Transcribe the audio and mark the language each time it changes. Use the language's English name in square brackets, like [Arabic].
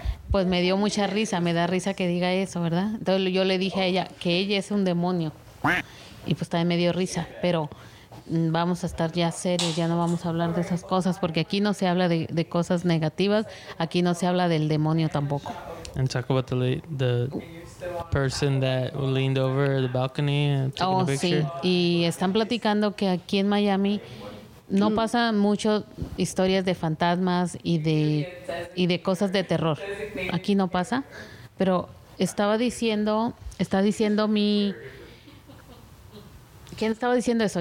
[Spanish] Pues me dio mucha risa. Me da risa que diga eso, ¿verdad? Entonces yo le dije a ella que ella es un demonio. Y pues también me dio risa, pero vamos a estar ya serios, ya no vamos a hablar de esas cosas, porque aquí no se habla de cosas negativas, aquí no se habla del demonio tampoco. [English] And talk about the person that leaned over the balcony and took a picture. [Spanish] Y están platicando que aquí en Miami no pasa mucho historias de fantasmas y de cosas de terror. Aquí no pasa, pero ¿quién estaba diciendo eso?